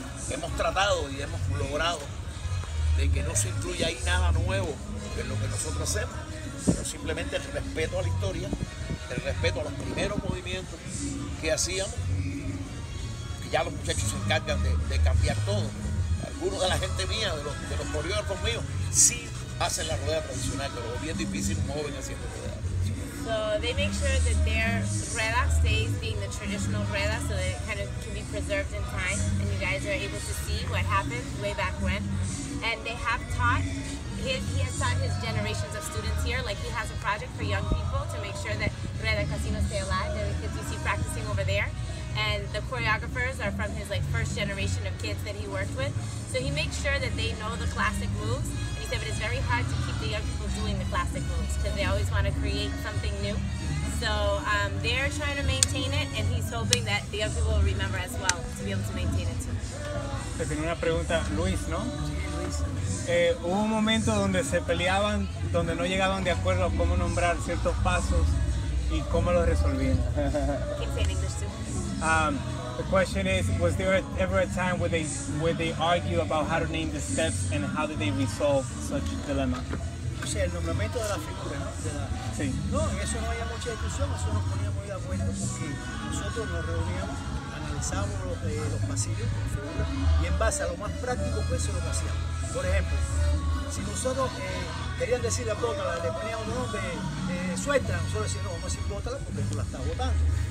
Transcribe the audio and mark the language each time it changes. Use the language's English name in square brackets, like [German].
[Spanish] Hemos tratado y hemos logrado de que no se incluya ahí nada nuevo en lo que nosotros hacemos, sino simplemente el respeto a la historia, el respeto a los primeros movimientos que hacíamos, que ya los muchachos se encargan de cambiar todo. Algunos de la gente mía, de los coreógrafos míos, sí hacen la rueda tradicional, pero es bien difícil un joven haciendo rueda. [English] So they make sure that their rueda stays being the traditional rueda, so that it kind of can be preserved in time, and you guys are able to see what happened way back when. And they have taught he has taught his generations of students here. Like, he has a project for young people to make sure that Rueda Casino stay alive. There are the kids you see practicing over there. And the choreographers are from his, like, first generation of kids that he worked with. So he makes sure that they know the classic moves. And he said, but it's very hard to keep the young people doing the classic moves because they always want to create something new. So they're trying to maintain it, and he's hoping that the young people will remember as well to be able to maintain it too. [Spanish] Se tiene una pregunta, Luis, ¿no? Hubo un momento donde se peleaban, donde no llegaban de acuerdo a cómo nombrar ciertos pasos y cómo los resolvían. [English] The question is, was there ever a time where they argue about how to name the steps and how did they resolve such a dilemma? [Spanish] O sea, el nombramiento de la figura, ¿no? Sí. No, en eso no había mucha discusión, eso nos ponía muy de acuerdo porque nosotros nos reuníamos, analizábamos los pasillos, y en base a lo más práctico, pues eso es lo que hacíamos. Por ejemplo, si nosotros querían decir la bota, le poníamos un nombre de suelta, nosotros decíamos, no, vamos a decir bota porque tú la estás botando.